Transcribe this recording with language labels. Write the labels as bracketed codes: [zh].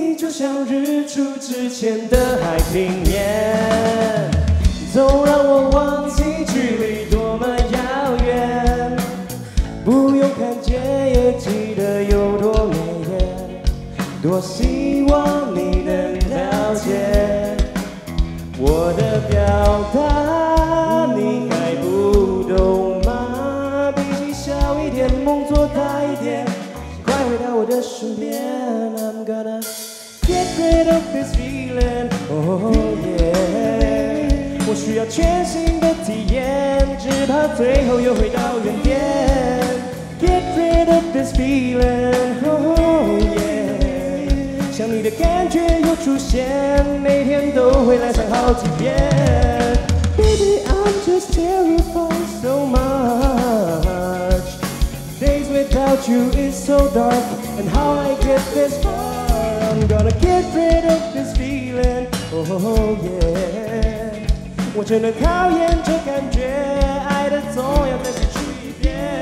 [zh] 像日出之前的海平面，总让我忘记距离多么遥远，不用看见也记得有多美艳，多希望你能了解我的表达。你还不懂吗？脾气小一点，梦做大一点，快回到我的身边。 [en] I'm gonnaGet rid of this feeling, oh yeah. [zh] 我需要全新的体验，只怕最后又回到原点。 [en] Get rid of this feeling, oh yeah. [zh] 想你的感觉又出现，每天都会来上好几遍。 [en] Baby, I'm just terrified so much. Days without you is so dark, and how I get this far. I'm gonna get rid of this feeling, oh yeah. [zh] 我真的讨厌这感觉，爱的总要再失去一遍。